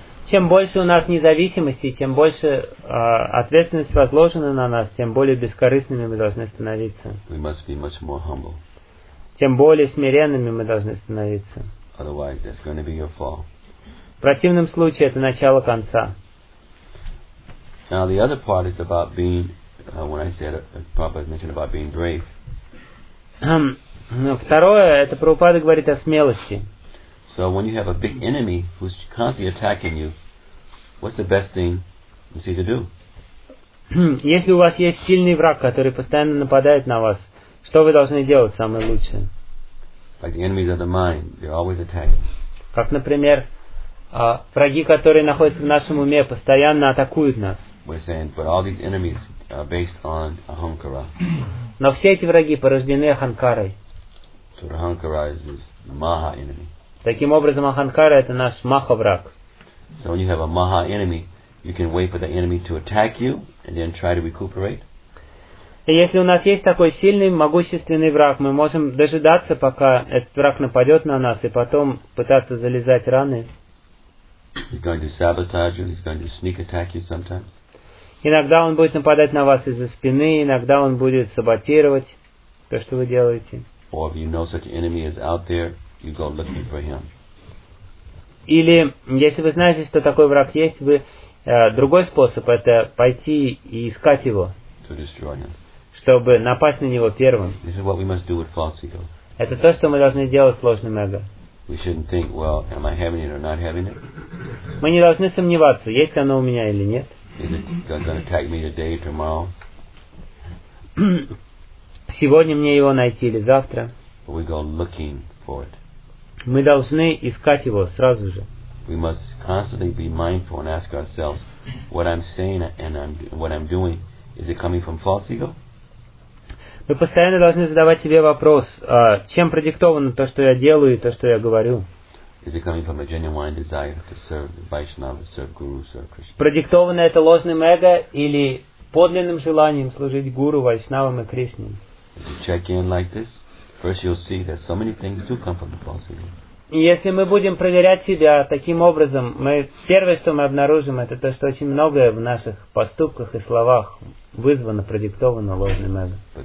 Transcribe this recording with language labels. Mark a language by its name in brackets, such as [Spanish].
[Russian] Чем больше у нас независимости, тем больше ответственность возложена на нас, тем более бескорыстными мы должны становиться. [English] We must be much more humble. [Russian] Тем более смиренными мы должны становиться. [English] Otherwise, that's going to be your fall. [Russian] В противном случае, это начало конца. [English] Now, the other part is about being, when I said, Prabhupada mentioned about being brave. [Russian] Но второе, это Прабхупада говорит о смелости. [English] So when you have a big enemy who's constantly attacking you, what's the best thing you see to do? [Russian] Если у вас есть сильный враг, который постоянно нападает на вас, что вы должны делать самое лучшее? [English] Like the enemies of the mind, they're always attacking. [Russian] Как, например, враги, которые находятся в нашем уме, постоянно атакуют нас. [English] We're saying, but all these enemies are based on ahankara. [Russian] Но все эти враги порождены аханкарой. [English] So ahankara is this maha enemy. [Russian] Таким образом, аханкара это наш маха враг. [English] So when you have a maha enemy, you can wait for the enemy to attack you and then try to recuperate. [Russian] И если у нас есть такой сильный, могущественный враг, мы можем дожидаться, пока этот враг нападет на нас, и потом пытаться залезать раны. [English] He's going to sabotage you, he's going to sneak attack you sometimes. [Russian] Иногда он будет нападать на вас из-за спины, иногда он будет саботировать то, что вы делаете. [English] Or if you know such an enemy is out there, you go looking for him. [Russian] Или, если вы знаете, что такой враг есть, вы другой способ – это пойти и искать его. [English] To destroy him. [Russian] Чтобы напасть на него первым. [English] This is what we must do with false ego. [Russian] Это то, что мы должны делать с ложным эго. [English] We shouldn't think, well, am I having it or not having it? [Russian] Мы не должны сомневаться, есть оно у меня или нет. [English] Is it going to attack me today, tomorrow? [Russian] Сегодня мне его найти или завтра? [English] We go looking for it. [Russian] Мы должны искать его сразу же. [English] We must constantly be mindful and ask ourselves, what I'm saying and what I'm doing, is it coming from false ego? [Russian] Мы постоянно должны задавать себе вопрос, чем продиктовано то, что я делаю и то, что я говорю. [English] Is it coming from a genuine desire to serve the Vaishnava, serve Guru, serve Krishna? [Russian] Продиктовано это ложным эго или подлинным желанием служить Гуру, Вайшнавам и Кришне? [English] If you check in like this, first you'll see that so many things do come from the false ego. [Russian] Если мы будем проверять себя таким образом, мы первое, что мы обнаружим, это то, что очень многое в наших поступках и словах вызвано, продиктовано ложным эго.